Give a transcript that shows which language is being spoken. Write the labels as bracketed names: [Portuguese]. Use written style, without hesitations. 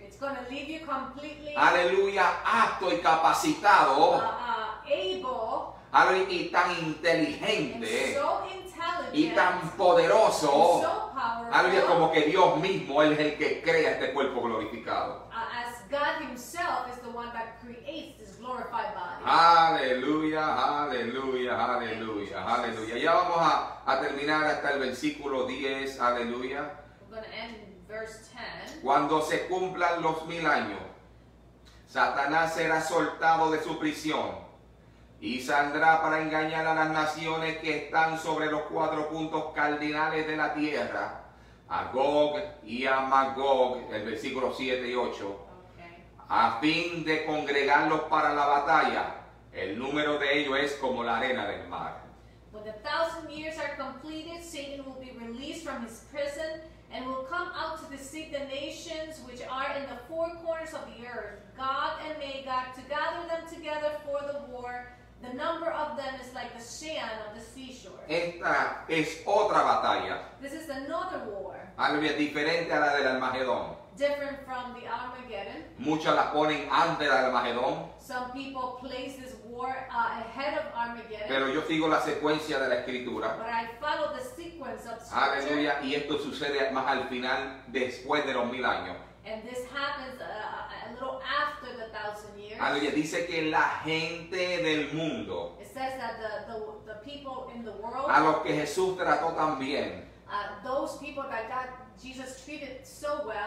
[English] It's going to leave you completely. [Spanish] Aleluya, apto y capacitado. [English] Able. [Spanish] Y tan inteligente. [English] And so intelligent. [Spanish] Y tan poderoso. [English] And so powerful. [Spanish] Aleluya, como que Dios mismo Él es el que crea este cuerpo glorificado. [English] As God himself is the one that creates this glorified body. [Spanish] Aleluya, aleluya, aleluya, aleluya. Ya vamos a terminar hasta el versículo 10, aleluya. [English] We're going to end in verse 10. [Spanish] Cuando se cumplan los 1,000 años, Satanás será soltado de su prisión y saldrá para engañar a las naciones que están sobre los 4 puntos cardinales de la tierra, a Gog y a Magog, el versículo 7 y 8, [English] okay, [Spanish] a fin de congregarlos para la batalla. El número de ellos es como la arena del mar. [English] When the 1,000 years are completed, Satan will be released from his prison and will come out to deceive the nations which are in the 4 corners of the earth, Gog and Magog, to gather them together for the war. The number of them is like the sand on the seashore. [Spanish] Esta es otra batalla. [English] This is another war. [Spanish] Aleluya, diferente a la del Armagedón. [English] Different from the Armageddon. [Spanish] Muchos la ponen antes del Armagedón. [English] Some people place this war ahead of Armageddon. [Spanish] Pero yo sigo la secuencia de la Escritura. [English] But I follow the sequence of Scripture. [Spanish] Aleluya, y esto sucede más al final, después de los mil años. [English] And this happens a little after the thousand years. [Spanish] Aleluya, dice que la gente del mundo. [English] It says that the people in the world. [Spanish] A los que Jesús trató también. [English] Those people that God, Jesus treated so well.